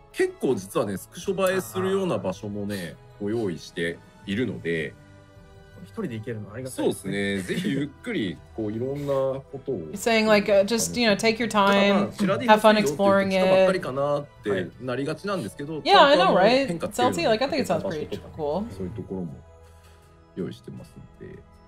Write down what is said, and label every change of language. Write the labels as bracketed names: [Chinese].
[Japanese] 結構実はねスクショ映えするような場所もねご用意しているので一人で行けるのありがたいそうですねぜひゆっくりこういろんなことを [English] saying like just you know take your time have fun exploring it [Japanese] ばっかりかなってなりがちなんですけど [English] yeah I know right SLT like I think it sounds pretty cool [Japanese] そういうところも用意してますので